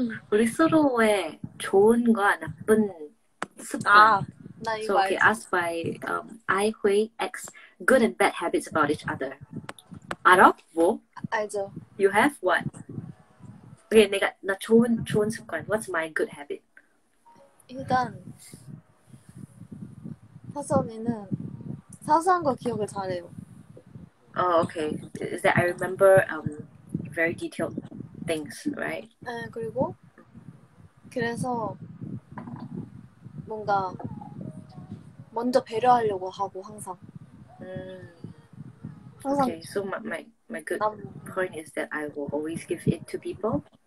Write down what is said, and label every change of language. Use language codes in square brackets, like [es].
[ko] 우리 서로의 좋은과 나쁜 습관. 아, 나 이거 [en] so, okay, [ko] 알지. [en] Asked by I Hui X good and bad habits about each other. [ko] 알아? 뭐? 알죠. [en] You have what? Okay, [ko] 내가 나 좋은 습관. [en] What's my good habit? [ko] 일단 사선이는 사소한 거 기억을 잘해요. [en] Oh, okay. Is that I remember very detailed things, right? [ko] 네, 그리고 그래서 뭔가 먼저 배려하려고 하고 항상. [en] Okay, so my good point is that I will always give it to people.